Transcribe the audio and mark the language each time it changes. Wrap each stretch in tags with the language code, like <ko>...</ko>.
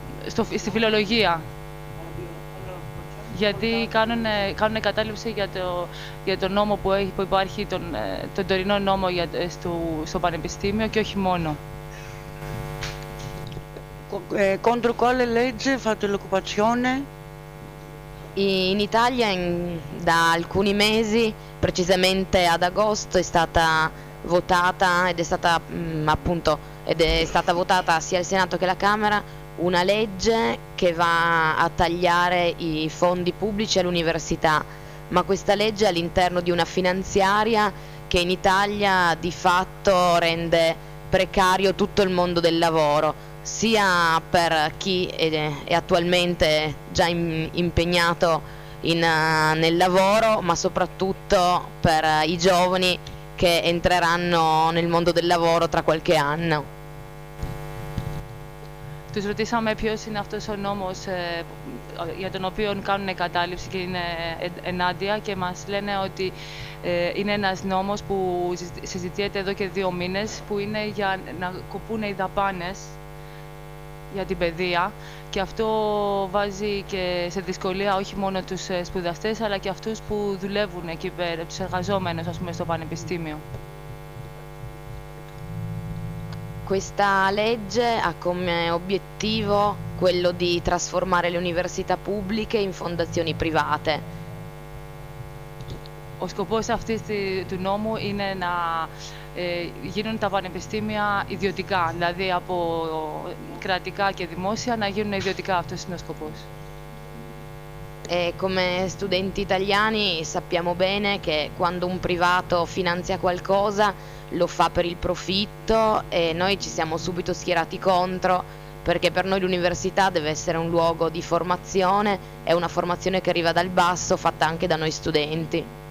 <el>στη φιλολογία. Γιατί κάνουν κατάληψη για το νόμο που υπάρχει, τον τωρινό νόμο στο πανεπιστήμιο και όχι μόνο.</el> <it>Contro quale legge fate l'occupazione? In Italia da alcuni mesi, precisamente ad agosto, è stata votata ed è stata votata sia il Senato che la Camera una legge che va a tagliare i fondi pubblici all'università, ma questa legge è all'interno di una finanziaria che in Italia di fatto rende precario tutto il mondo del lavoro, sia per chi è attualmente già impegnato nel lavoro, ma soprattutto per i giovani che entreranno nel mondo del lavoro tra qualche anno.</it> <el>Τους ρωτήσαμε ποιος είναι αυτός ο νόμος για τον οποίο κάνουν κατάληψη και είναι ενάντια και μας λένε ότι είναι ένας νόμος που συζητιέται εδώ και 2 μήνες που είναι για να κοπούν οι δαπάνες για την παιδεία και αυτό βάζει και σε δυσκολία όχι μόνο τους σπουδαστές αλλά και αυτούς που δουλεύουν εκεί πέρα, τους εργαζόμενους ας πούμε στο πανεπιστήμιο.</el> <it>Questa legge ha come obiettivo quello di trasformare le università pubbliche in fondazioni private.</it> <el>Ο σκοπός αυτής του νόμου είναι να γίνουν τα πανεπιστήμια ιδιωτικά, δηλαδή από κρατικά και δημόσια να γίνουν ιδιωτικά. Αυτός είναι ο σκοπός.</el> <it>E come studenti italiani sappiamo bene che quando un privato finanzia qualcosa lo fa per il profitto e noi ci siamo subito schierati contro perché per noi l'università deve essere un luogo di formazione, è una formazione che arriva dal basso, fatta anche da noi studenti.</it>